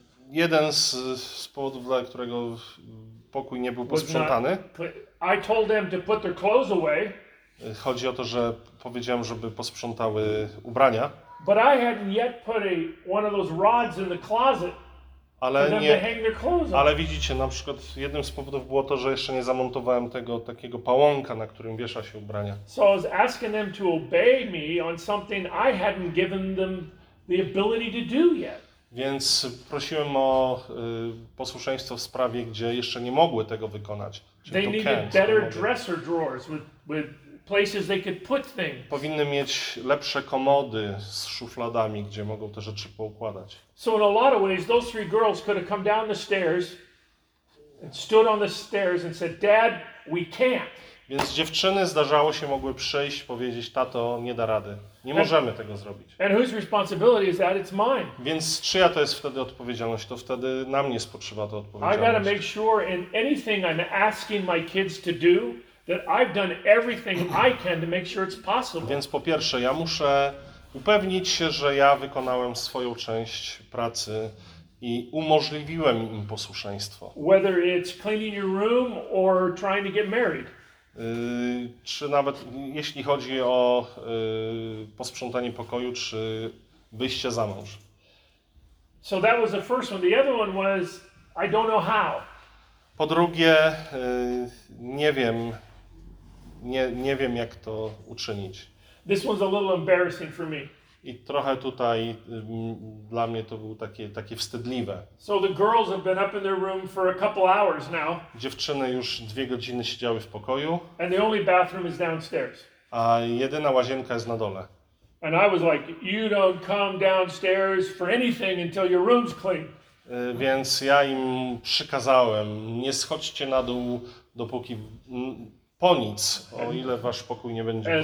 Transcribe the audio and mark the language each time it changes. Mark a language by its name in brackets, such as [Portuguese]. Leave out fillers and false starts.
[Polish] Jeden z powodów, dla którego pokój nie był posprzątany. [English] I told them to put their clothes away. [Polish] Chodzi o to, że powiedziałem, żeby posprzątały ubrania. [English] But I hadn't yet put one of those rods in the closet. [Polish] Ale [English] for [Polish] nie, [English] them to hang their clothes on. [Polish] Ale widzicie, na przykład jednym z powodów było to, że jeszcze nie zamontowałem tego takiego pałąka, na którym wiesza się ubrania. [English] So I was asking them to obey me on something I hadn't given them the ability to do yet. [Polish] Więc prosiłem o posłuszeństwo w sprawie, gdzie jeszcze nie mogły tego wykonać. [English] They needed better dresser drawers with places they could put things. [Polish] Powinny mieć lepsze komody z szufladami, gdzie mogą te rzeczy poukładać. [English] So in a lot of ways, those three girls could have come down the stairs and stood on the stairs and said, "Dad, we can't." [Polish] Więc dziewczyny zdarzało się mogły przyjść, powiedzieć: "Tato, nie da rady, nie możemy tego zrobić." [English] And whose responsibility is that? It's mine. [Polish] Więc czyja to jest wtedy odpowiedzialność? To wtedy na mnie spoczywa ta odpowiedzialność. [English] I gotta make sure in anything I'm asking my kids to do. That I've done everything I can to make sure it's possible. [Polish] Więc po pierwsze, ja muszę upewnić się, że ja wykonałem swoją część pracy i umożliwiłem im posłuszeństwo. [English] Whether it's cleaning your room or trying to get married. [Polish] Czy nawet jeśli chodzi o posprzątanie pokoju, czy wyjście za mąż. [English] So that was the first one. The other one was I don't know how. [Polish] Po drugie, nie wiem. Nie wiem, jak to uczynić. [English] This one's a little embarrassing for me. [Polish] I trochę tutaj dla mnie to było takie wstydliwe. [English] So the girls have been up in their room for a couple hours now. [Polish] Dziewczyny już dwie godziny siedziały w pokoju. [English] And the only bathroom is downstairs. [Polish] A jedyna łazienka jest na dole. [English] And I was like, you don't come downstairs for anything until your room's clean. [Polish] Więc ja im przykazałem, nie schodźcie na dół, dopóki... Po nic, o ile wasz pokój nie będzie